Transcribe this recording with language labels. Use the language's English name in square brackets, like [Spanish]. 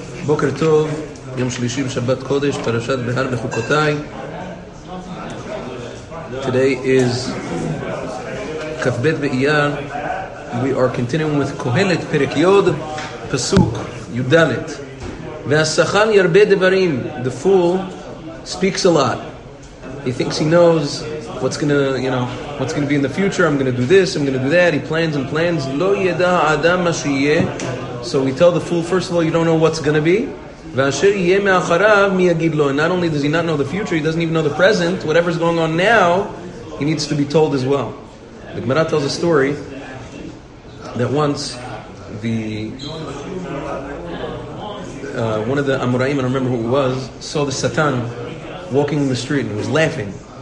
[Hebrew] בוקר טוב, יום שלישי בשבת קודש, פרשת בהר בחוקותיי. [English] Today is כ"ב באייר. We are continuing with קהלת, פרק יוד, פסוק י"ד. [Hebrew] והשכל ירבה דברים. [English] The fool speaks a lot. He thinks he knows what's going to, you know, what's going to be in the future. I'm going to do this, I'm going to do that. He plans and plans. [Hebrew] לא ידע האדם מה שיהיה. [English] So we tell the fool, first of all, you don't know what's going to be. [Hebrew] ואשר יהיה מאחריו, מי יגיד לו? [English] And not only does he not know the future, he doesn't even know the present. Whatever's going on now, he needs to be told as well. The Gemara tells a story that once the one of the Amoraim, I don't remember who it was, saw the Satan walking in the street and was laughing.